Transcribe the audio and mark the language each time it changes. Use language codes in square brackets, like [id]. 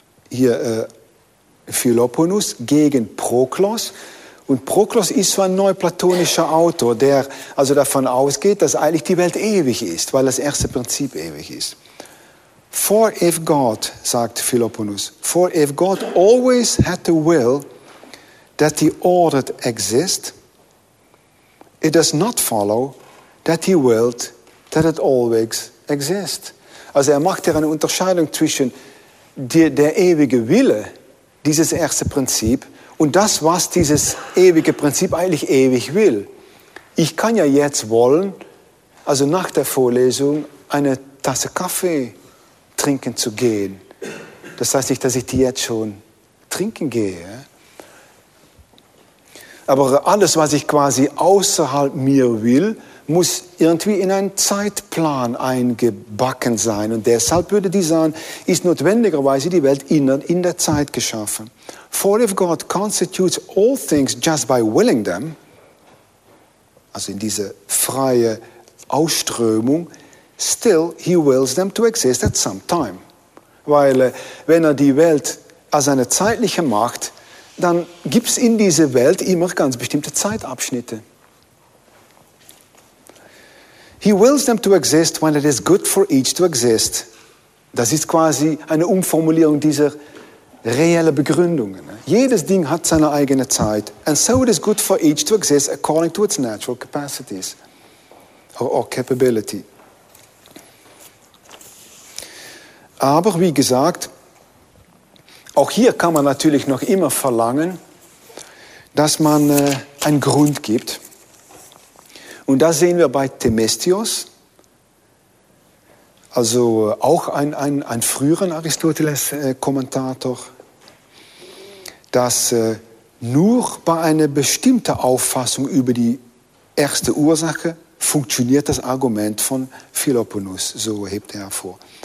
[de] Hier Philoponus gegen Proklos. Und Proklos ist so ein neuplatonischer Autor, der also davon ausgeht, dass eigentlich die Welt ewig ist, weil das erste Prinzip ewig ist. [en] For if God, [de] sagt Philoponus, [en] for if God always had the will that he ordered exist, it does not follow that he willed that it always exist. [de] Also er macht hier eine Unterscheidung zwischen der ewige Wille, dieses erste Prinzip, und das, was dieses ewige Prinzip eigentlich ewig will. Ich kann ja jetzt wollen, also nach der Vorlesung eine Tasse Kaffee trinken zu gehen. Das heißt nicht, dass ich die jetzt schon trinken gehe. Aber alles, was ich quasi außerhalb mir will, muss irgendwie in einen Zeitplan eingebacken sein. Und deshalb würde die sagen, ist notwendigerweise die Welt in der Zeit geschaffen. [en] For if God constitutes all things just by willing them, [de] also in diese freie Ausströmung, [en] still he wills them to exist at some time. [de] Weil wenn er die Welt als eine zeitliche macht, dann gibt es in dieser Welt immer ganz bestimmte Zeitabschnitte. [en] He wills them to exist when it is good for each to exist. [de] Das ist quasi eine Umformulierung dieser reellen Begründungen. Jedes Ding hat seine eigene Zeit. [en] And so it is good for each to exist according to its natural capacities or capability. [de] Aber wie gesagt, auch hier kann man natürlich noch immer verlangen, dass man einen Grund gibt. Und das sehen wir bei Themistios, also auch ein früheren Aristoteles-Kommentator, dass nur bei einer bestimmten Auffassung über die erste Ursache funktioniert das Argument von Philoponus, so hebt er hervor.